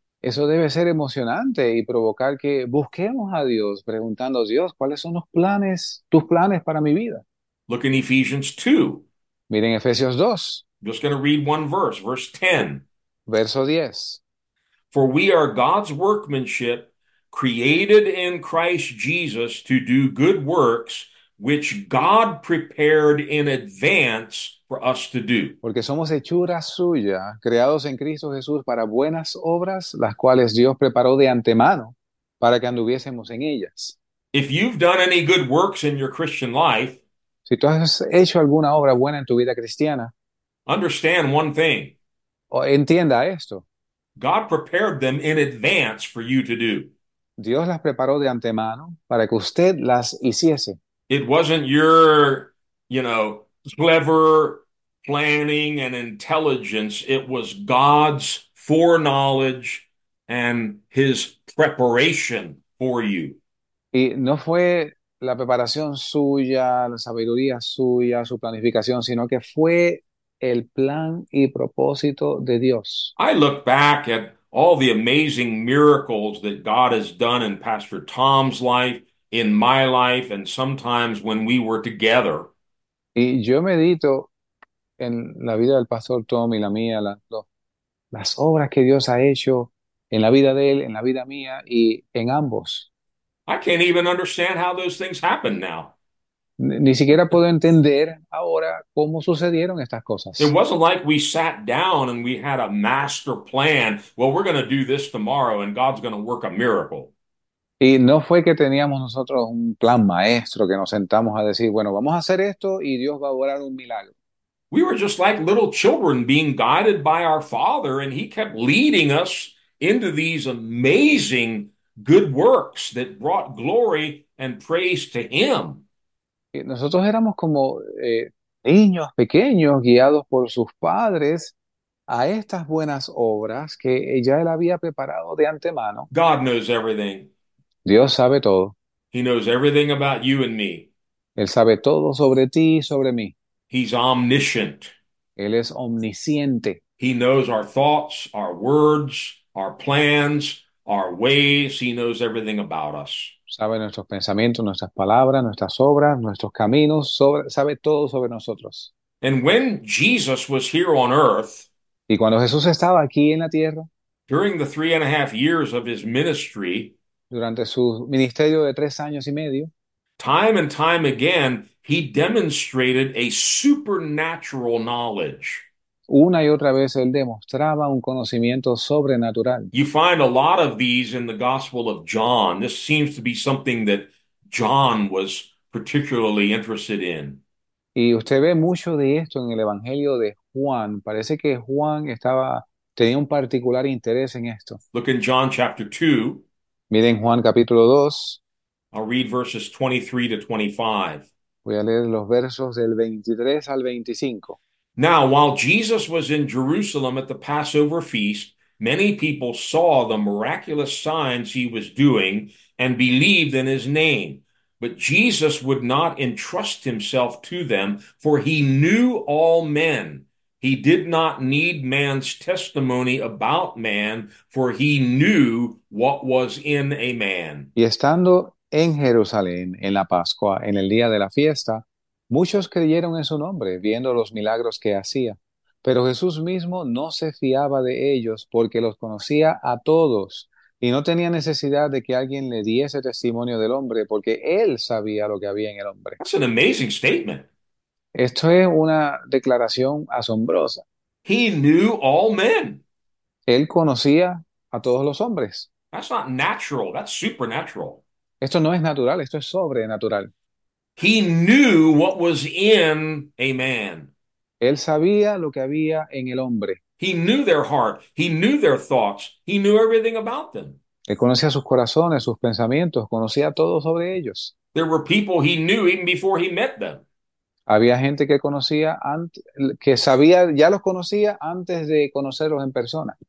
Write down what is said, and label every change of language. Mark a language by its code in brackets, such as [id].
[es] Eso debe ser emocionante y provocar que busquemos a Dios preguntando a Dios, ¿cuáles son los planes, tus planes para mi vida? [en] Look in Ephesians 2. [es] Miren Efesios 2, [en] I'm just going to read one verse, verse 10. [es] verso 10. [en] For we are God's workmanship, created in Christ Jesus to do good works, which God prepared in advance for us to do. [es] Porque somos hechura suya, creados en Cristo Jesús para buenas obras, las cuales Dios preparó de antemano para que anduviésemos en ellas. [en] If you've done any good works in your Christian life, [es] Si tú has hecho alguna obra buena en tu vida cristiana, [en] understand one thing. [es] o entienda esto. [en] God prepared them in advance for you to do. [es] Dios las preparó de antemano para que usted las hiciese. [en] It wasn't your, clever planning and intelligence. It was God's foreknowledge and his preparation for you. [es] Y no fue la preparación suya, la sabiduría suya, su planificación, sino que fue el plan y propósito de Dios. [en] I look back at all the amazing miracles that God has done in Pastor Tom's life, in my life, and sometimes when we were together. [es] Y yo medito en la vida del pastor Tom y la mía, las obras que Dios ha hecho en la vida de él, en la vida mía y en ambos. [en] I can't even understand how those things happen now. [es] Ni siquiera puedo entender ahora cómo sucedieron estas [en] It [es] cosas. [en] wasn't like we sat down and we had a master plan. Well, we're going to do this tomorrow and God's going to work a miracle. [es] Y no fue que teníamos nosotros un plan maestro que nos sentamos a decir, bueno, vamos a hacer esto y Dios va a obrar un milagro. [en] We were just like little children being guided by our father, and he kept leading us into these amazing good works that brought glory and praise to him. [es] Nosotros éramos como niños pequeños guiados por sus padres a estas buenas obras que ya él había preparado de antemano. [en] God knows everything. [es] Dios sabe todo. [en] He knows everything about you and me. [es] Él sabe todo sobre ti y sobre mí. [en] He's omniscient. [es] Él es omnisciente. [en] He knows our thoughts, our words, our plans, our ways. He knows everything about us. [es] Sabe nuestros pensamientos, nuestras palabras, nuestras obras, nuestros caminos, sabe todo sobre nosotros. [en] And when Jesus was here on earth, [es] Y cuando Jesús estaba aquí en la tierra, [en] during the 3.5 years of his ministry, [es] durante su ministerio de 3 años y medio, [en] time and time again, he demonstrated a supernatural knowledge. [es] una y otra vez él demostraba un conocimiento sobrenatural. [en] You find a lot of these in the Gospel of John. This seems to be something that John was particularly interested in. [es] Y usted ve mucho de esto en el Evangelio de Juan. Parece que Juan tenía un particular interés en esto. [en] Look in John chapter 2. [es] Miren Juan capítulo 2. [en] I'll read verses 23 to 25. [es] Voy a leer los versos del 23 al 25. [en] Now, while Jesus was in Jerusalem at the Passover feast, many people saw the miraculous signs he was doing and believed in his name. But Jesus would not entrust himself to them, for he knew all men. He did not need man's testimony about man, for he knew what was in a man. [es] Y estando en Jerusalén, en la Pascua, en el día de la fiesta, muchos creyeron en su nombre, viendo los milagros que hacía. Pero Jesús mismo no se fiaba de ellos, porque los conocía a todos, y no tenía necesidad de que alguien le diese testimonio del hombre, porque él sabía lo que había en el hombre. [en] That's an amazing statement. [es] Esto es una declaración asombrosa. [en] He knew all men. [es] Él conocía a todos los hombres. [en] That's not natural. That's supernatural. [es] Esto no es natural, esto es sobrenatural. [en] He knew what was in a man. [es] Él sabía lo que había en el hombre. [en] He knew their heart. He knew their thoughts. He knew everything about them. [es] Él conocía sus corazones, sus pensamientos, conocía todo sobre ellos. There were people he knew even before he met them. Había gente que conocía antes, que sabía, ya los conocía antes de conocerlos en persona.